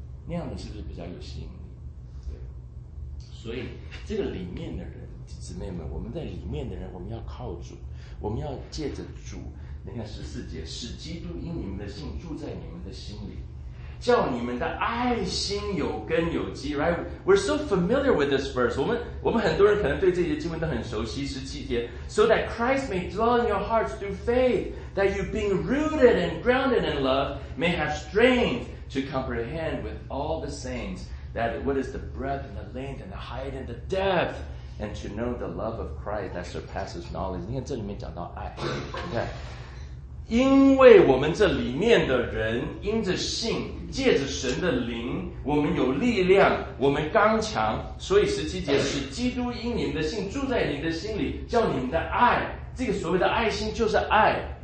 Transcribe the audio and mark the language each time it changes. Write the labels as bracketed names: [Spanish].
[Chinese] 那样你是不是比较有吸引力？对，所以这个里面的人，姊妹们，我们在里面的人，我们要靠主，我们要借着主，你看十四节，使基督因你们的信住在你们的心里，叫你们的爱心有根有基。 [English] Right? We're so familiar with this verse. [Chinese] 我们很多人可能对这些经文都很熟悉。 [English] 十七节， So that Christ may dwell in your hearts through faith, that you being rooted and grounded in love may have strength to comprehend with all the saints that what is the breadth and the length and the height and the depth, and to know the love of Christ that surpasses knowledge. [Chinese] 你看这里面讲到爱，你看，因为我们这里面的人因着信，借着神的灵，我们有力量，我们刚强，所以十七节是基督因你们的信住在你的心里，叫你们的爱，这个所谓的爱心就是爱，